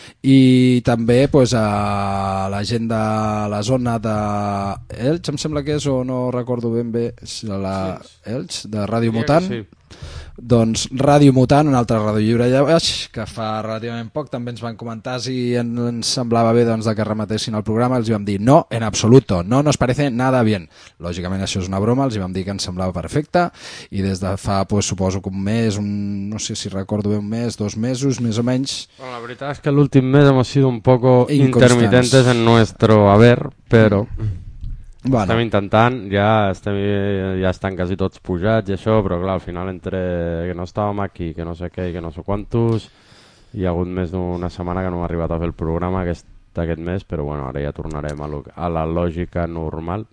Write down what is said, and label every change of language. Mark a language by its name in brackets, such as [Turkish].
[Catalan] I també pues, a la gent de la zona de Elx, em sembla que és, o no recordo ben bé, la Elx, de Ràdio Mutant. Doncs Ràdio Mutant, una altra ràdio lliure allà baix, que fa relativament poc també ens van comentar si ens semblava bé doncs, que rematessin el programa. Els vam dir [Spanish] no, en absoluto, no nos parece nada bien. [Catalan] Lògicament això és una broma, els vam dir que ens semblava perfecte, i des de fa pues, suposo que un mes, un, no sé si recordo bé, un mes, dos mesos, més o menys. Bueno, la veritat és que l'últim mes hem [Spanish] sido un poco intermitentes en nuestro haber, [Catalan] però... Bueno. Estem intentant, ja estan quasi tots pujats i això, però clar, al final entre que no estàvem aquí, que no sé què i que no sé quantos, hi ha hagut més d'una setmana que no hem arribat a fer el programa aquest mes, però bueno, ara ja tornarem a la lògica normal.